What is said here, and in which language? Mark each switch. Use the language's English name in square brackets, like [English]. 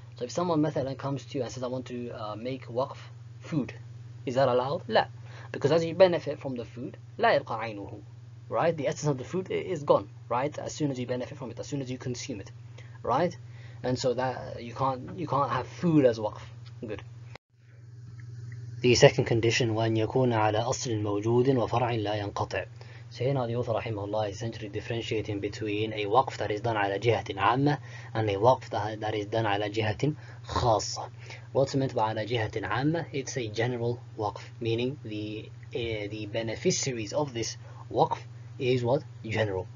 [English] So if someone مثلا comes to you and says, I want to make waqf food, is that allowed? لا, because as you benefit from the food, [Arabic] لا يبقى عينه, [English] right? The essence of the food is gone, right? As soon as you benefit from it, as soon as you consume it, right? And so that you can't have food as waqf. Good. The second condition, [Arabic] وَأَنْ يَكُونَ عَلَىٰ أَصْلٍ مَوْجُودٍ وَفَرْعٍ لَا يَنْقَطِعٍ. [English] So here now the author, rahimahullah, is essentially differentiating between a waqf that is done ala jihatin amma and a waqf that is done ala jihatin khasa. What's meant by ala jihatin amma? It's a general waqf, meaning the beneficiaries of this waqf is what? General.